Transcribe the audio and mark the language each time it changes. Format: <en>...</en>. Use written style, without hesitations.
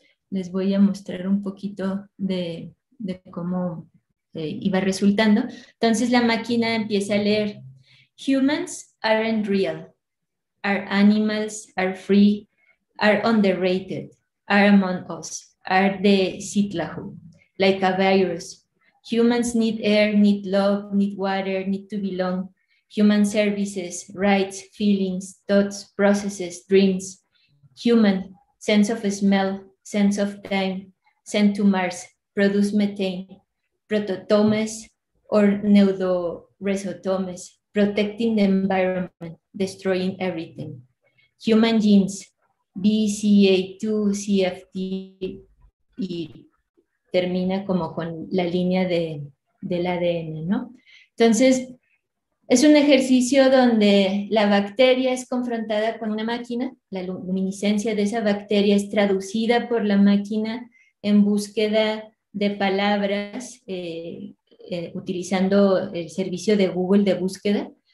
<es>Les voy a mostrar un poquito de cómo iba resultando. Entonces la máquina empieza a leer:</es> <en>"Humans aren't real. Our animals are free, are underrated, are among us, are the Citlahu, like a virus. Humans need air, need love, need water, need to belong. Human services, rights, feelings, thoughts, processes, dreams. human, sense of smell, sense of time, sent to Mars, produce methane, prototomes or pneudoresotomes, protecting the environment, destroying everything. Human genes,</en> <es>BCA2, CFT, y termina como con la línea del ADN, ¿no? Entonces, es un ejercicio donde la bacteria es confrontada con una máquina, la luminiscencia de esa bacteria es traducida por la máquina en búsqueda de palabras, utilizando el servicio de Google de búsqueda.</es>